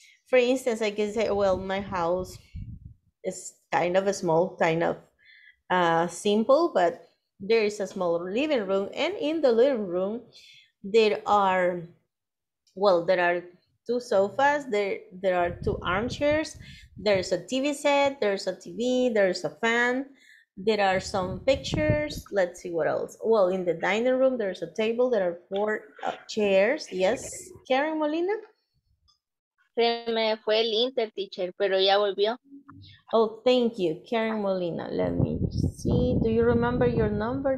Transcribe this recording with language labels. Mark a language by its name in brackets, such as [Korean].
[English] For instance, I can say, well, my house is kind of a small, kind of simple, but there is a small living room, and in the living room, there are two sofas, there are two armchairs, there's a TV set, there's a TV, there's a fan, there are some pictures, let's see what else. Well, in the dining room, there's a table, there are four chairs, yes. Karen Molina? [Spanish] Se me fue el inter, teacher, pero ya volvió. [English] Oh, thank you, Karen Molina. Let me see, do you remember your number?